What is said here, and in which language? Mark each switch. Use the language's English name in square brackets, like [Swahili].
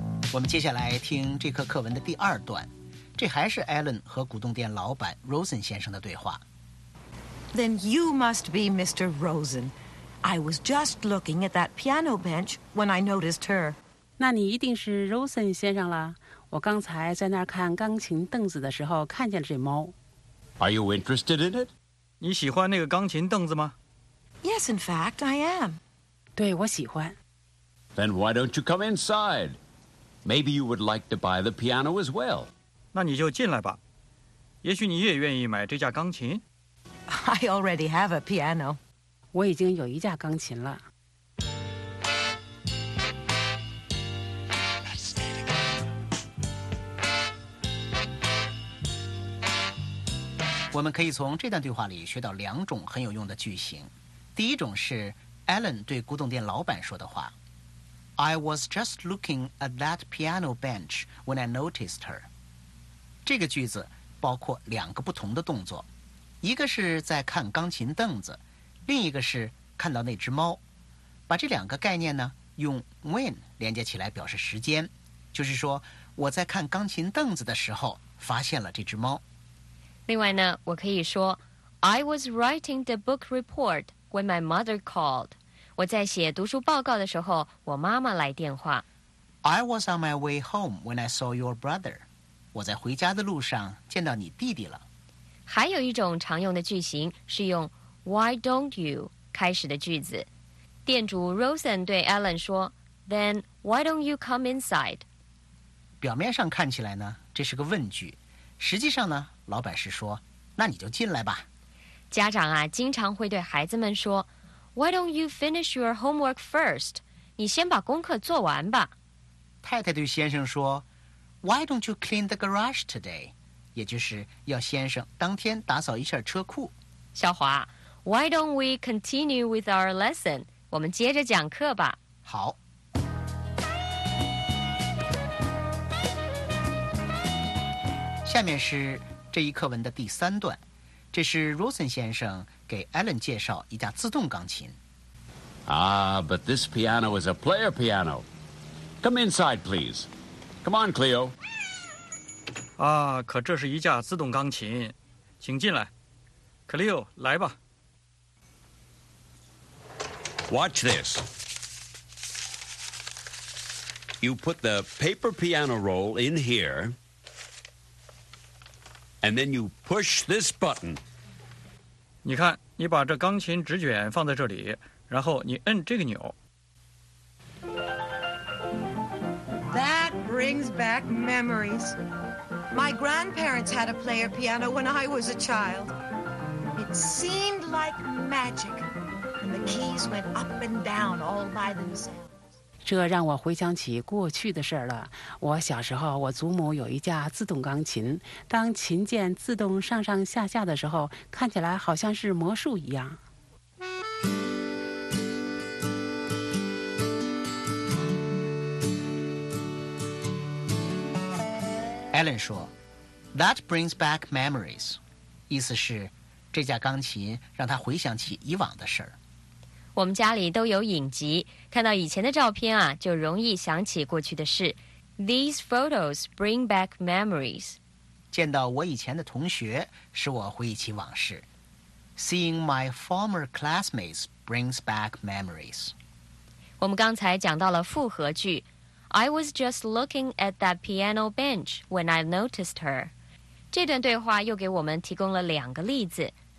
[Chinese] 我们接下来听这课课文的第二段。这还是 Alan 和古董店老板 Rosen 先生的对话。 [English] Then you must be Mr. Rosen. I was just looking at that piano bench when I noticed her. [Chinese] 那你一定是 Rosen 先生了。我刚才在那儿看钢琴凳子的时候看见了这猫。 [English] Are you interested in it? [Chinese] 你喜欢那个钢琴凳子吗？ [English] Yes, in fact, I am. [Chinese] 对，我喜欢。 [English] Then why don't you come inside? Maybe you would like to buy the piano as well. [Chinese] 那你就进来吧。也许你也愿意买这架钢琴。 [English] I already have a piano. [Chinese] 我已经有一架钢琴了。我们可以从这段对话里学到两种很有用的句型。第一种是 Alan 对古董店老板说的话。 [English] I was just looking at that piano bench when I noticed her. [Chinese] 这个句子包括两个不同的动作。一个是在看钢琴凳子，另一个是看到那只猫。把这两个概念呢，用 when 连接起来表示时间，就是说我在看钢琴凳子的时候发现了这只猫。另外呢，我可以说 [English] I was writing the book report when my mother called. [Chinese] 我在写读书报告的时候，我妈妈来电话。 [English] I was on my way home when I saw your brother. [Chinese] 我在回家的路上见到你弟弟了。还有一种常用的句型是用 [English] Why don't you [Chinese] 开始的句子。店主 Rosen 对 Alan 说 [English] Then why don't you come inside? [Chinese] 表面上看起来呢，这是个问句。实际上呢，老板是说那你就进来吧。家长啊，经常会对孩子们说 [English] Why don't you finish your homework first? [Chinese] 你先把功课做完吧。太太对先生说 [English] Why don't you clean the garage today? [Chinese] 也就是要先生当天打扫一下车库。 [English] 小华 ，Why don't we continue with our lesson? [Chinese] 我们接着讲课吧。好。下面是这一课文的第三段，这是 Rosen 先生给 Alan 介绍一架自动钢琴。 [English] Ah, but this piano is a player piano. Come inside, please. Come on, Cleo. [Chinese] 啊，可这是一架自动钢琴，请进来 ，Cleo， 来吧。 [English] Watch this. You put the paper piano roll in here, and then you push this button. [Chinese] 你看，你把这钢琴纸卷放在这里，然后你摁这个钮。 [English] That brings back memories. My grandparents had a player piano when I was a child. It seemed like magic, and the keys went up and down all by themselves. [Chinese] 这让我回想起过去的事了。我小时候，我祖母有一架自动钢琴，当琴键自动上上下下的时候，看起来好像是魔术一样。 Alan 说 [English] That brings back memories [Chinese] 意思是这架钢琴让他回想起以往的事儿。我们家里都有影集，看到以前的照片啊，就容易想起过去的事。 [English] These photos bring back memories [Chinese] 见到我以前的同学使我回忆起往事。 [English] Seeing my former classmates brings back memories [Chinese] 我们刚才讲到了复合句 [English] I was just looking at that piano bench when I noticed her. [Chinese] 这段对话又给我们提供了两个例子。